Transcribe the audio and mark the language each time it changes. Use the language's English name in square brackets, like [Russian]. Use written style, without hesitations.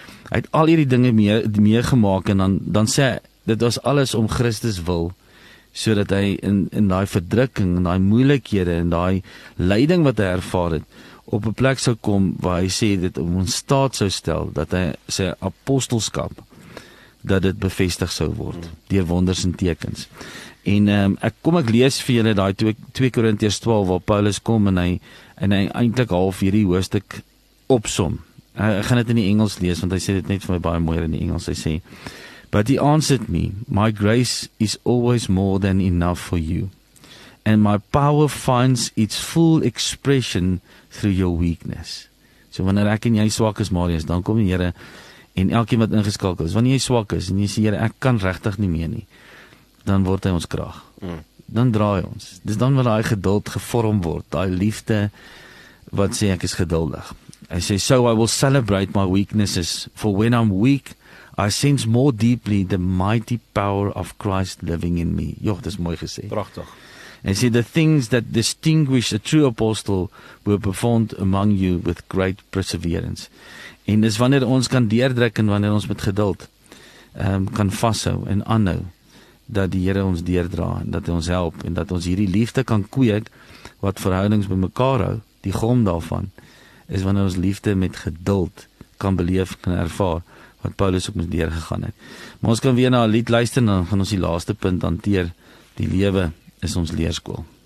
[Afrikaans] Hy het al hierdie dinge meegemaak en dan sê hy, dit was alles om Christus wil, so dat hy in die verdrukking, in die moeilikhede, in die leiding wat hy ervaar het, op 'n plek sou kom, waar hy sê dit om ons staat sou stel, dat hy sy apostelskap, dat dit bevestig sou word, deur wonders en tekens. En ek lees vir julle die 2 Korintiërs 12, waar Paulus kom en hy eintlik half hierdie hoofstuk opsom. Ek gaan dit in die Engels lees, want hy sê dit net vir my baie mooier in die Engels. Hy sê, [English] but he answered me, my grace is always more than enough for you, and my power finds its full expression through your weakness. [Afrikaans] So wanneer ek en jy swak is, Marius, dan kom die Here, en elkeen wat ingeskakel is, wanneer jy swak is, en jy sê, Here, ek kan regtig nie meer nie, dan word hy ons krag. Dan draai ons. Dis dan waar hy geduld gevorm word, hy liefde, wat sê, ek is geduldig. Hy sê, [English] so I will celebrate my weaknesses, for when I'm weak, I sense more deeply the mighty power of Christ living in me. [Afrikaans] Joch, dis mooi gesê. Prachtig. [English] And see, the things that distinguish a true apostle were performed among you with great perseverance. [Afrikaans] En dis wanneer ons kan deurdruk en wanneer ons met geduld kan vashou en aanhou dat die Here ons deurdra en dat hy ons help en dat ons hierdie liefde kan kweek wat verhoudings by mekaar hou. Die grond daarvan is wanneer ons liefde met geduld kan beleef en ervaar wat Paulus ook met deurgegaan het. Maar ons kan weer na 'n lied luister en dan gaan ons die laaste punt hanteer. Die lewe is ons leerskool.